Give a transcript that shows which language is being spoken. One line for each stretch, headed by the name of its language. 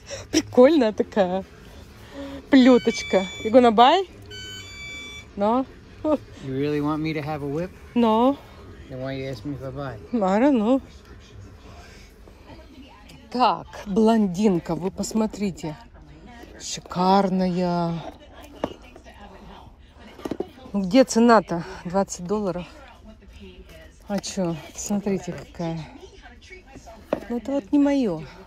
Russian: Прикольная такая плеточка.
English: You gonna buy? No. You really want me to have a whip? No. Then why you ask me if I buy? I don't know.
Russian: Так, блондинка, вы посмотрите. Шикарная. Где цена-то? $20. А чё? Смотрите, какая. Ну, это вот не моё.